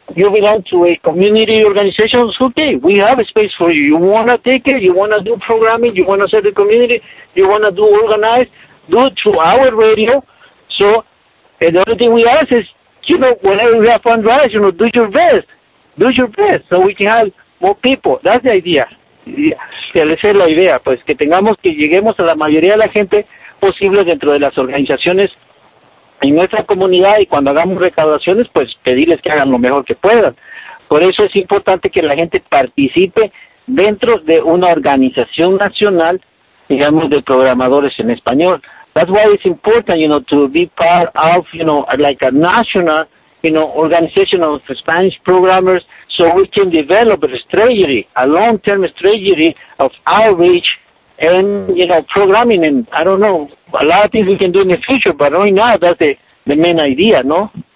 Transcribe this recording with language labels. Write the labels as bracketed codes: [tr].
[en] You belong to a community organization, it's okay, we have a space for you. You want to take it, you want to do programming, you want to serve the community, you want to do organize, do it through our radio. So, and the only thing we ask is, you know, whenever we have fundraisers, you know, do your best. Do your best so we can have more people. That's the idea. Yeah. [es] Esa es la idea, pues, que tengamos, que lleguemos a la mayoría de la gente posible dentro de las organizaciones en nuestra comunidad, y cuando hagamos recaudaciones, pues pedirles que hagan lo mejor que puedan. Por eso es importante que la gente participe dentro de una organización nacional, digamos, de programadores en español. [en] That's why it's important, you know, to be part of, you know, like a national, you know, organization of Spanish programmers, so we can develop a strategy, a long-term strategy of outreach and, you know, programming, and I don't know, a lot of things we can do in the future, but right now that's the main idea, no?